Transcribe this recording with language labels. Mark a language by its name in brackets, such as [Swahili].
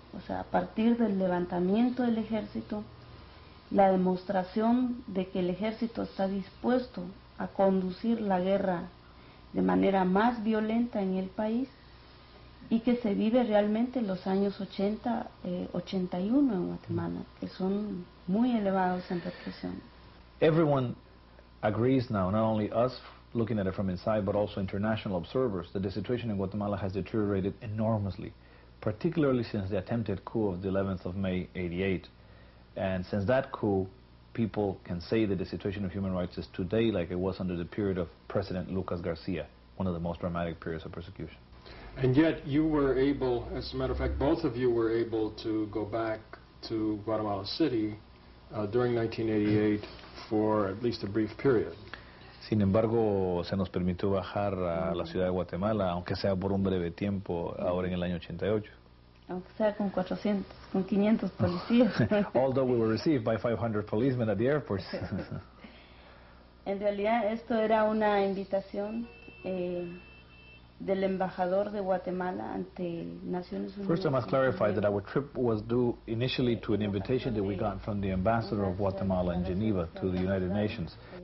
[Spanish] O sea, a partir del levantamiento del ejército, la demostración de que el ejército está dispuesto a conducir la guerra de manera más violenta en el país, y que se vive realmente los años 80, 81 en Guatemala, que son muy elevados en represión. [English] Everyone agrees now, not only us looking at it from inside, but also international observers, that the situation in Guatemala has deteriorated enormously, particularly since the attempted coup of the 11th of May, 88. And since that coup, people can say that the situation of human rights is today like it was under the period of President Lucas Garcia, one of the most dramatic periods of persecution. And yet you were able, as a matter of fact, both of you were able to go back to Guatemala City during 1988 for at least a brief period. [Spanish] Sin embargo, se nos permitió bajar a la ciudad de Guatemala, aunque sea por un breve tiempo, ahora en el año 88. Aunque sea con 400, con 500 policías. [English] Although we were received by 500 policemen at the airport. [Spanish] En realidad, esto era una invitación del embajador de Guatemala ante Naciones Unidas. [English] First, I must clarify that our trip was due initially to an invitation that we got from the ambassador of Guatemala in Geneva to the United Nations.